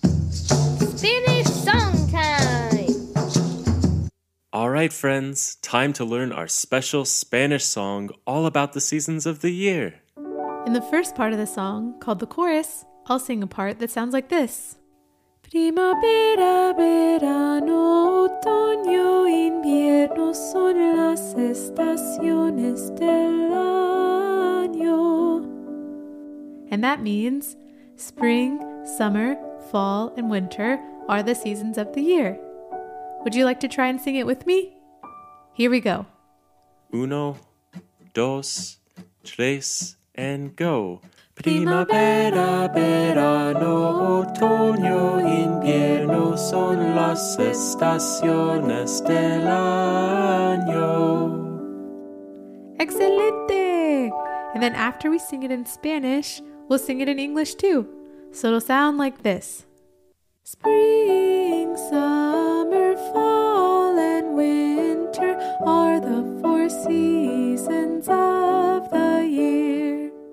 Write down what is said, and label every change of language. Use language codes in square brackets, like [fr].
[en] Spanish song time! All right, friends. Time to learn our special Spanish song all about the seasons of the year. In the first part of the song, called the chorus, I'll sing a part that sounds like this. [es] Primavera, verano, otoño, invierno son las estaciones del año. [en] And that means spring, summer, fall, and winter are the seasons of the year. Would you like to try and sing it with me? Here we go. [es] Uno, dos, tres, [en] and go. [es] Primavera, verano, otoño, invierno son las estaciones del año. Excelente! [en] And then after we sing it in Spanish, we'll sing it in English too. So it'll sound like this. Spring, summer, fall, and winter are the four seasons of the year.